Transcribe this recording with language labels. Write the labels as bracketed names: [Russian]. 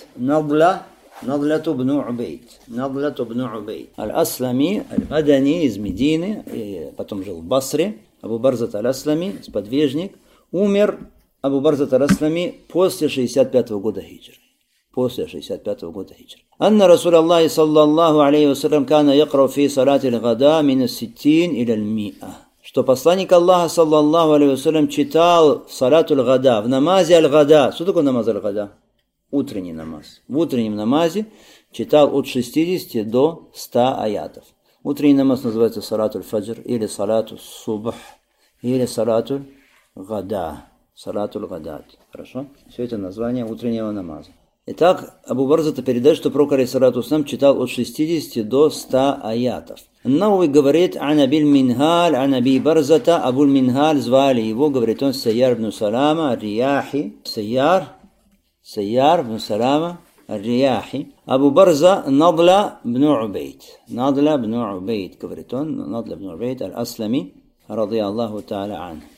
[Russian] Надла, Надла ибн Убейт. Надла ибн Убейт. Аль-Аслами, Аль-Мадани из Медины, и потом жил в Басре. Абу Барза Аль-Аслами, сподвижник. Умер Абу Барза Аль-Аслами после 65 года хиджры. После 65 года хиджры. [Arabic] أن رسول الله صلى الله عليه وسلم كان يقرأ في صلاة الغداء من الستين إلى المئة. [Russian] Что посланник Аллаха [Arabic] صلى الله عليه وسلم [Russian] читал в صلاة الغداء, в намазе الغداء. Что такое намаз الغداء? Утренний намаз. В утреннем намазе читал от 60 до 100 аятов. Утренний намаз называется صلاة الفجر или صلاة الصبح или صلاة الغداء. [Arabic] صلاة الغداء. [Russian] Хорошо? Все это название утреннего намаза. Итак, Абу Барза это передает, что пророк алейхиссалату вассалям читал от 60 до 100 аятов. Ан-Науви говорит, «Ан Абиль Минхаль, Ан Аби Барзата, Абуль Минхаль, звали его, говорит он, Сайяр ибн Салама, Ар-Рияхи, Сайяр, Сайяр ибн Салама, Ар-Рияхи, Абу Барза, Надла ибн Убейт, Надла ибн Убейт, говорит он, Надла ибн Убейт, Аль-Аслами, ради Аллаху Та'ала Ан».